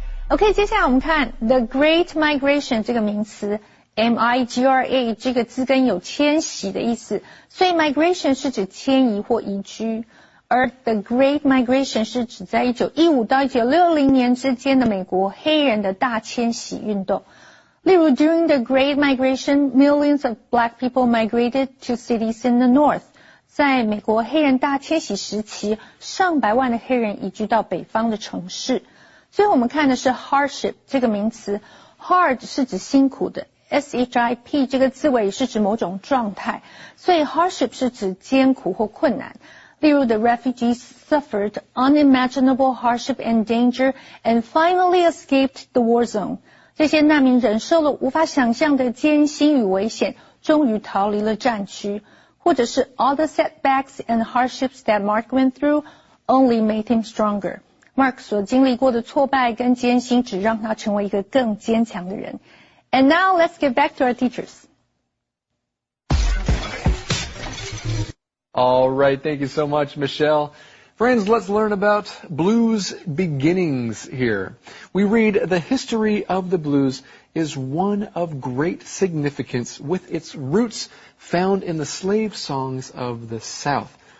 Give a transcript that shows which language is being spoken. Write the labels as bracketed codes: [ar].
[zh] Okay, 接下来我们看 The Great Migration 这个名词 M-I-G-R-A 这个字根有迁徙的意思，所以 migration 是指迁移或移居。而 The Great Migration 是指在1915到1960年之间的美国黑人的大迁徙运动。例如 [en] ,During the Great Migration, millions of black people migrated to cities in the north. [zh] 在美国黑人大迁徙时期，上百万的黑人移居到北方的城市。所以我们看的是 hardship 这个名词。Hard 是指辛苦的。 S-H-I-P 这个字尾是指某种状态。所以 hardship 是指艰苦或困难。例如 [en] the refugees suffered unimaginable hardship and danger and finally escaped the war zone. [zh] 这些难民忍受了无法想象的艰辛与危险，终于逃离了战区。或者是 [en] all the setbacks and hardships that Mark went through only made him stronger. [zh] Mark 所经历过的挫败跟艰辛只让他成为一个更坚强的人。 [en] And now let's get back to our teachers. All right, thank you so much, Michelle. Friends, let's learn about blues beginnings here. We read, the history of the blues is one of great significance with its roots found in the slave songs of the South.